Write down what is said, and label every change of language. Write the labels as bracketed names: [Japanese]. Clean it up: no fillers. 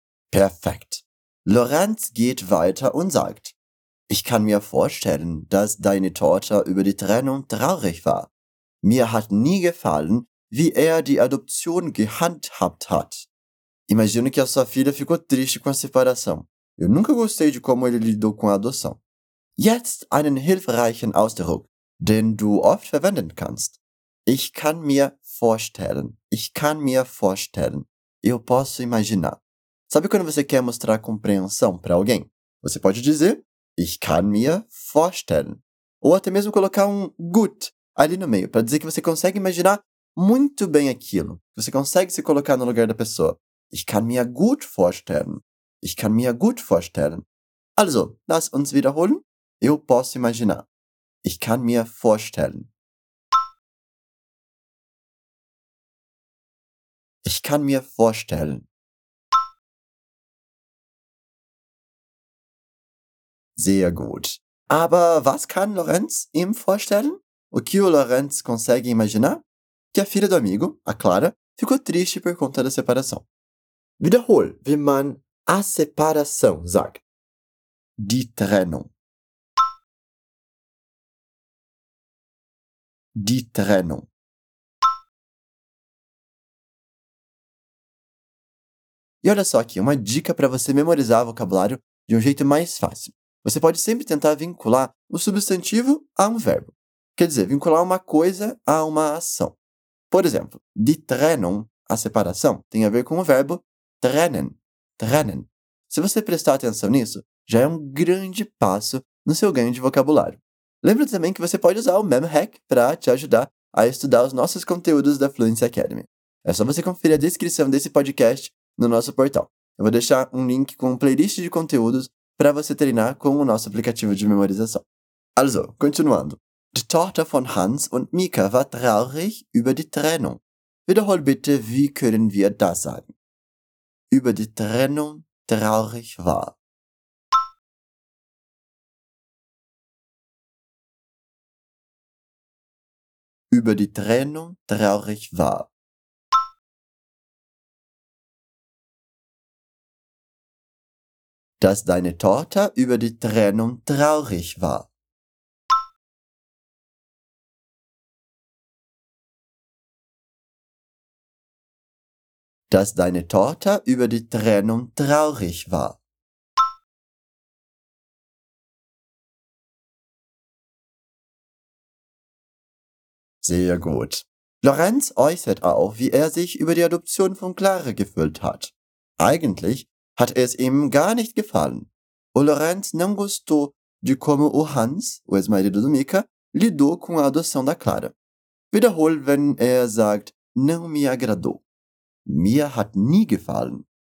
[German] Perfekt. Lorenz geht weiter und sagt, ich kann mir vorstellen, dass deine Tochter über die Trennung traurig war. Mir hat nie gefallen, wie er die Adoption gehandhabt hat. [Portuguese] Imagino que a sua filha ficou triste com a separação. Eu nunca gostei de como ele lidou com a adoção. [German] Jetzt einen hilfreichen Ausdruck, den du oft verwenden kannst. Ich kann mir vorstellen. Ich kann mir vorstellen. [Portuguese] Eu posso imaginar. Sabe quando você quer mostrar compreensão para alguém? Você pode dizer, [German] ich kann mir vorstellen. [Portuguese] Ou até mesmo colocar um gut ali no meio, para dizer que você consegue imaginar muito bem aquilo. Você consegue se colocar no lugar da pessoa. [German] Ich kann mir gut vorstellen. Ich kann mir gut vorstellen. Also, lass uns wiederholen. [Portuguese] Eu posso imaginar. [German] Ich kann mir vorstellen. Ich kann mir vorstellen. Sehr gut. Aber was kann Lorenz ihm vorstellen? [Portuguese] O que o Lorenz consegue imaginar? Que a filha do amigo, a Clara, ficou triste por conta da separação. [German] Wiederhol, wie man [Portuguese] a separação [German] sagt. Die Trennung. Die Trennung. [Portuguese] E olha só aqui, uma dica para você memorizar vocabulário de um jeito mais fácil. Você pode sempre tentar vincular o substantivo a um verbo. Quer dizer, vincular uma coisa a uma ação. Por exemplo, die Trennung, a separação, tem a ver com o verbo trennen, trennen. Se você prestar atenção nisso, já é um grande passo no seu ganho de vocabulário. Lembra também que você pode usar o MemHack para te ajudar a estudar os nossos conteúdos da Fluency Academy. É só você conferir a descrição desse podcast no nosso portal. Eu vou deixar um link com um playlist de conteúdos para você treinar com o nosso aplicativo de memorização. Also, continuando. [German] Die Tochter von Hans und Mika war traurig über die Trennung. Wiederhol bitte, wie können wir das sagen? Über die Trennung traurig war. Über die Trennung traurig war. Dass deine Tochter über die Trennung traurig war. Dass deine Tochter über die Trennung traurig war. Sehr gut. Lorenz äußert auch, wie er sich über die Adoption von Clara gefühlt hat. Eigentlich hat es ihm gar nicht gefallen. [Portuguese] O Lorenz não gostou de como o Hans, o ex-marido do Mika, lidou com a adoção da Clara. [German] Wiederhol, wenn er sagt, [Portuguese] não me agradou. [German] Mir hat nie gefallen.